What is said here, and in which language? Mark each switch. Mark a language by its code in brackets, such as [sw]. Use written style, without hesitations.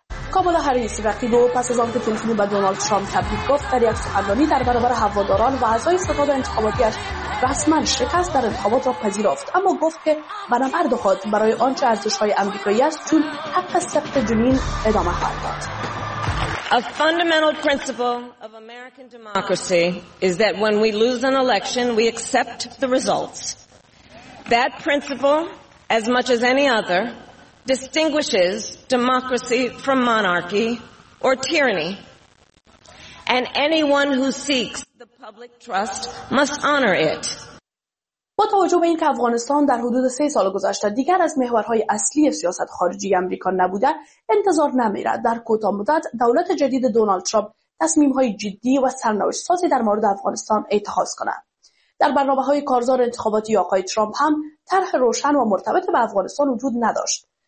[fa] کامالا هریس رقیب او پس از آنکه تلفنی به دونالد ترامپ تبریک گفت در یک سخنرانی در برابر هواداران و اعضای ستاد انتخاباتیاش رسما شکست در انتخابات را پذیرفت، اما گفت که بنابرد خود برای آنچه ارزشهای امریکایی است چون حق سبت جنین ادامه خواهد داد. [en] A fundamental principle of American democracy is that when we lose an election, we accept the results. That principle, as much as any other, distinguishes democracy from monarchy or tyranny. And anyone who seeks the public trust must honor it. [fa] با توجه به اینکه افغانستان در حدود 3 سال گذشته دیگر از محورهای اصلی سیاست خارجی آمریکا نبوده، انتظار نمی‌رود در کوتاه مدت دولت جدید دونالد ترامپ تصمیم‌های جدی و سرنوشت‌سازی در مورد افغانستان اتخاذ کند. در برنامه‌های کارزار انتخاباتی آقای ترامپ هم طرح روشن و مرتبط با افغانستان وجود نداشت.